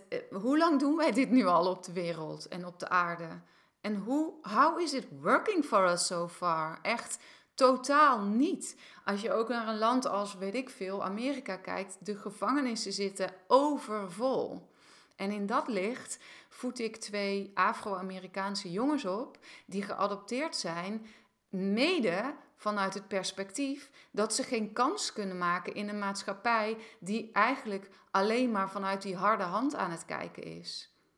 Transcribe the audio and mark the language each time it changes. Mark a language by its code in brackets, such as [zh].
[nl] Hoe lang doen wij dit nu al op de wereld en op de aarde? [en] En how is it working for us so far? [nl] Echt totaal niet. Als je ook naar een land als, weet ik veel, Amerika kijkt, de gevangenissen zitten overvol. En in dat licht voed ik twee Afro-Amerikaanse jongens op die geadopteerd zijn, mede vanuit het perspectief dat ze geen kans kunnen maken in een maatschappij die eigenlijk alleen maar vanuit die harde hand aan het kijken is.